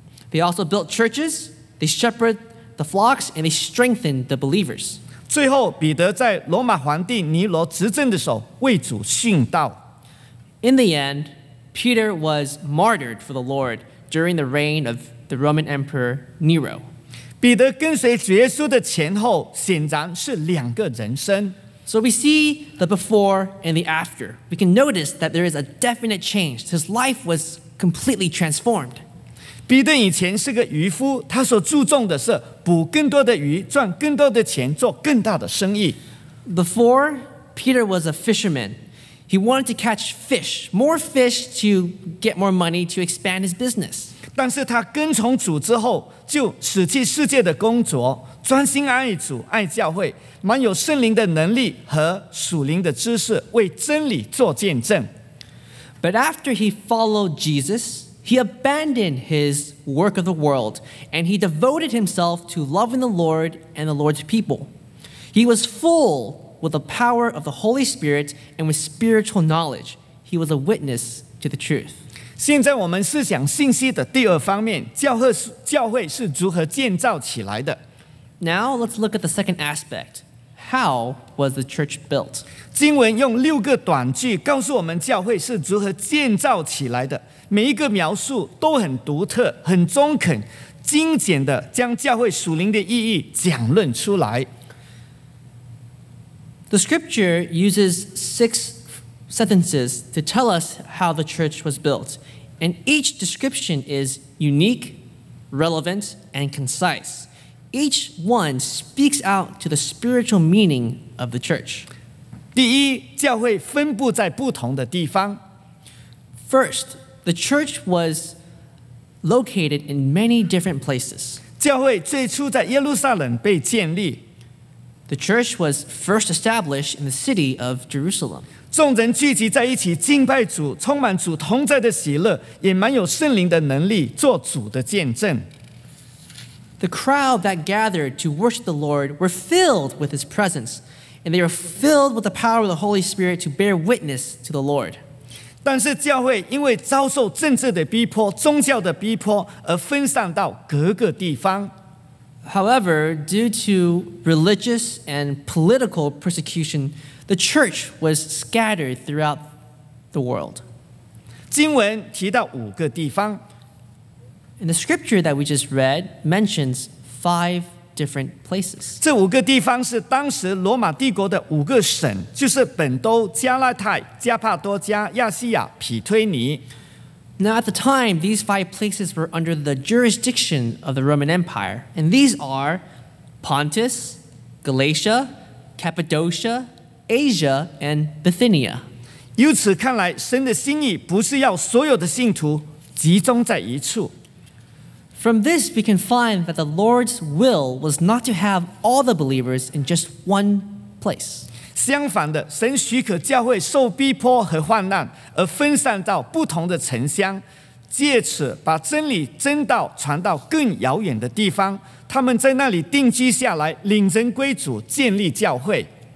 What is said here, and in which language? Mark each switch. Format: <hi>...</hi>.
<en>They also built churches, they shepherded the flocks, and they strengthened the believers.</en> <zh>最后，彼得在罗马皇帝尼罗执政的时候为主殉道。</zh> <en>In the end, Peter was martyred for the Lord during the reign of the Roman Emperor Nero.</en> <zh>彼得跟随主耶稣的前后显然是两个人生。</zh> <en>So we see the before and the after. We can notice that there is a definite change. His life was completely transformed.</en> <zh>彼得以前是个渔夫，他所注重的是捕更多的鱼，赚更多的钱，做更大的生意。</zh> <en>Before, Peter was a fisherman. He wanted to catch fish, more fish to get more money to expand his business.</en> <zh>但是他跟从主之后，就舍弃世界的工作，专心爱主，爱教会，满有圣灵的能力和属灵的知识，为真理做见证。</zh> <en>But after he followed Jesus, he abandoned his work of the world, and he devoted himself to loving the Lord and the Lord's people. He was full with the power of the Holy Spirit and with spiritual knowledge. He was a witness to the truth.</en> <zh>现在我们思想信息的第二方面，教会是如何建造起来的。</zh> <en>Now let's look at the second aspect. How was the church built?</en> <zh>经文用六个短句告诉我们教会是如何建造起来的。每一个描述都很独特，很中肯，精简地将教会属灵的意义讲论出来。</zh> <en>The scripture uses 6 sentences to tell us how the church was built. And each description is unique, relevant, and concise. Each one speaks out to the spiritual meaning of the church.</en> <zh>第一，教会分布在不同的地方。</zh> <en>First, the church was located in many different places.</en> <zh>教会最初在耶路撒冷被建立。</zh> <en>The church was first established in the city of Jerusalem.</en> <zh>众人聚集在一起敬拜主，充满主同在的喜乐，也满有圣灵的能力，做主的见证。</zh> <en>The crowd that gathered to worship the Lord were filled with his presence, and they were filled with the power of the Holy Spirit to bear witness to the Lord.</en> <zh>但是教会因为遭受政治的逼迫、宗教的逼迫而分散到各个地方。</zh> <en>However, due to religious and political persecution, the church was scattered throughout the world.</en> <zh>经文提到五个地方。</zh> <en>And the scripture that we just read mentions 5 different places.</en> <zh>这五个地方是当时罗马帝国的五个省，就是本都、加拉太、加帕多加、亚细亚、匹推尼。</zh> <en>Now at the time, these five places were under the jurisdiction of the Roman Empire, and these are Pontus, Galatia, Cappadocia, Asia, and Bithynia.</en> <zh>由此看来，神的心意不是要所有的信徒集中在一处。</zh> <en>From this, we can find that the Lord's will was not to have all the believers in just one place.</en> <zh>相反的，神许可教会受逼迫和患难，而分散到不同的城乡，借此把真理真道传到更遥远的地方，他们在那里定居下来，领人归主，建立教会。</zh>